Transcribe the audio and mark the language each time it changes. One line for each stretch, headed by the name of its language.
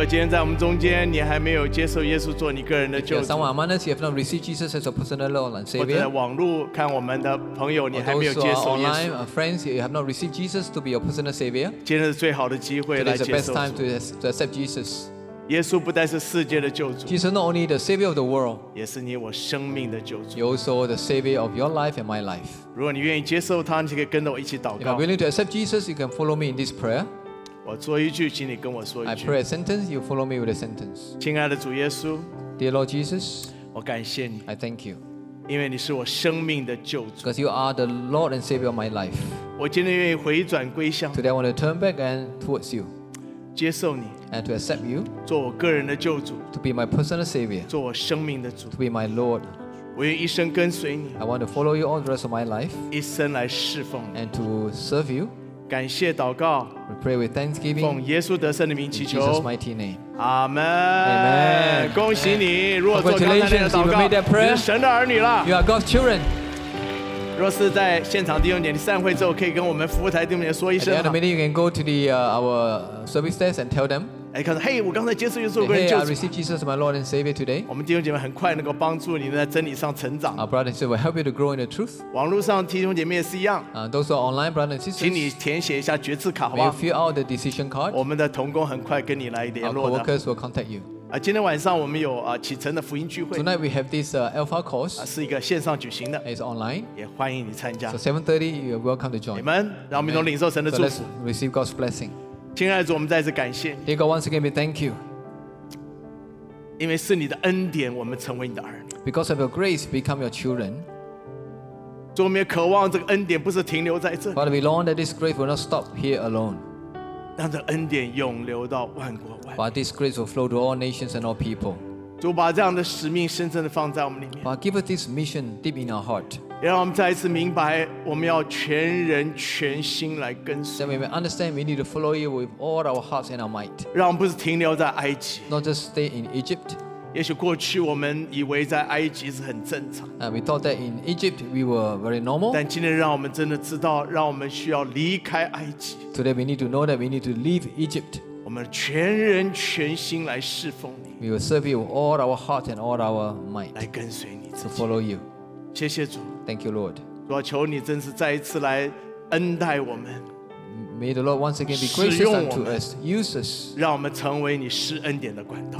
Chinese: 在我们中间，你还没有接受耶稣做你个人的救主。
English: Someone else have not received Jesus as a personal Lord and Savior。
Chinese: 或者网络看我们的朋友，你还没有接受耶稣。
English: Online friends, you have not received Jesus to be your personal Savior。
Chinese: 今天是最好的机会来接受。
English: Today is the best time to accept Jesus。
Chinese: 耶稣不但是世界的救主。
English: Jesus not only the Savior of the world，
Chinese: 也是你我生命的救主。
English: You also the Savior of your life and my life。
Chinese: 如果你愿意接受他，你可以跟着我一起祷告。
English: If you're willing to accept Jesus, you can follow me in this prayer。
Chinese: 我做一句，请你跟我说一句。
English: I pray a sentence, you follow me with a sentence.
Chinese: 亲爱的主耶稣
English: ，Dear Lord Jesus,
Chinese: 我感谢你。
English: I thank you,
Chinese: 因为你是我生命的救主。
English: Because you are the Lord and Savior of my life.
Chinese: 我今天愿意回转归向。
English: Today I want to turn back and towards you.
Chinese: 接受你
English: ，and to accept you.
Chinese: 做我个人的救主
English: ，to be my personal Savior.
Chinese: 做我生命的主
English: ，to be my Lord.
Chinese: 我愿意一生跟随你。
English: I want to follow you all the rest of my life.
Chinese: 一生来侍奉你
English: ，and to serve you.
Chinese: 感谢祷告
English: We pray with thanksgiving.
Chinese: 奉耶稣得胜的名祈求
English: In Jesus' mighty name.
Chinese: Amen. 恭喜你
English: Congratulations, you made that prayer.
Chinese: 你是神的儿女了
English: You are God's children.
Chinese: 若是在现场弟兄姐你散会之后可以跟我们服务台弟兄姐说一声
English: At the end of the meeting, you can go to our service desk and tell them.
Chinese: Hey, 我刚才接受耶稣做个人救
English: 主 Hey, I received Jesus as my Lord and Savior today.
Chinese: 我们弟兄姐妹很快能够帮助你在真理上成长
English: Our brothers and sisters will help you to grow in the truth.
Chinese: 网络上弟兄姐妹也是一样
English: Those are online brothers and sisters.
Chinese: 请你填写一下决志卡
English: May you fill out the decision card.
Chinese: 我们的同工很快跟你来联络的
English: Our co-workers will contact you.
Chinese: 今天晚上我们有启程的福音聚会
English: Tonight we have this Alpha course
Chinese: 是一个线上举行的
English: It's online
Chinese: 也欢迎你参加
English: So 7:30 you are welcome to join
Chinese: Amen 让我们都领受神的祝福
English: So let's receive God's blessing
Chinese: 亲爱的主我们再次感谢
English: Dear God once again we thank you
Chinese: 因为是你的恩典我们成为你的儿女
English: Because of your grace become your children
Chinese: 主我们也渴望这个恩典不是停留在这
English: But we long that this grace will not stop here alone
Chinese: 让这恩典永留到万国万民
English: But this grace will flow to all nations and all people
Chinese: 主把这样的使命深深地放在我们里面
English: But give us this mission deep in our heart
Chinese: 也让我们再一次明白我们要全人全心来跟随
English: That we may understand we need to follow you with all our hearts and our might
Chinese: 让我们不是停留在埃及
English: Not just stay in Egypt
Chinese: 也许过去我们以为在埃及是很正常
English: We thought that in Egypt we were very normal
Chinese: 但今天让我们真的知道让我们需要离开埃及
English: Today we need to know that we need to leave Egypt.
Chinese: 我们全人全心来侍奉你。
English: We will serve you with all our heart and all our might.
Chinese: 来跟随你。
English: To follow you.
Chinese: 谢谢主。
English: Thank you, Lord.
Chinese: 主啊，求你真是再一次来恩待我们。
English: May the Lord once again be gracious unto us. Use us.
Chinese: 让我们成为你施恩典的管道。